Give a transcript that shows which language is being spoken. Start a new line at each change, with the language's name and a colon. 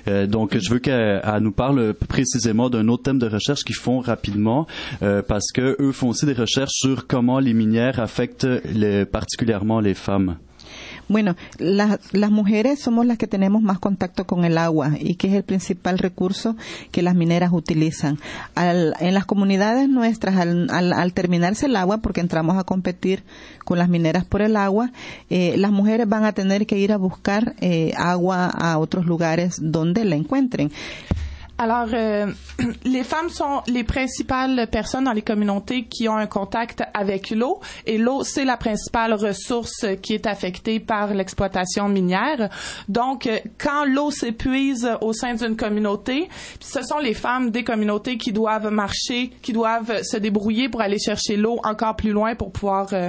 French: Donc, je veux qu'elle nous parle précisément d'un autre thème de recherche qu'ils font rapidement, parce que eux font aussi des recherches sur comment les minières affectent particulièrement les femmes.
Spanish: Bueno, las mujeres somos las que tenemos más contacto con el agua y que es el principal recurso que las mineras utilizan. En las comunidades nuestras, al terminarse el agua, porque entramos a competir con las mineras por el agua, las mujeres van a tener que ir a buscar agua a otros lugares donde la encuentren.
French: Alors, les femmes sont les principales personnes dans les communautés qui ont un contact avec l'eau. Et l'eau, c'est la principale ressource qui est affectée par l'exploitation minière. Donc, quand l'eau s'épuise au sein d'une communauté, ce sont les femmes des communautés qui doivent marcher, qui doivent se débrouiller pour aller chercher l'eau encore plus loin pour pouvoir...